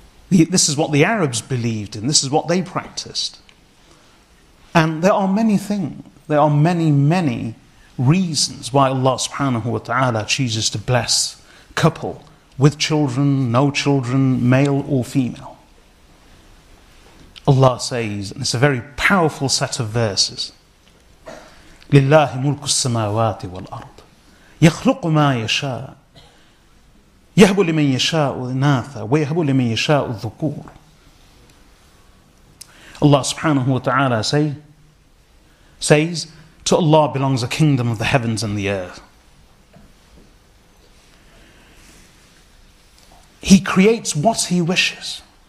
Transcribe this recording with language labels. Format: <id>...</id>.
<en>This is what the Arabs believed in. This is what they practiced. And there are many things. There are many, many reasons why Allah subhanahu wa ta'ala chooses to bless a couple with children, no children, male or female. Allah says, and it's a very powerful set of verses,</en> <ar>لِلَّهِ مُلْكُ السَّمَاوَاتِ وَالْأَرْضِ يَخْلُقُ مَا يَشَاءُ يَهْبُ لِمَنْ يَشَاءُ الْإِنَاثَ وَيَهْبُ لِمَنْ يَشَاءُ الذُّكُورُ.</ar> <en>Allah subhanahu wa ta'ala says, to Allah belongs the kingdom of the heavens and the earth. He creates what He wishes.</en>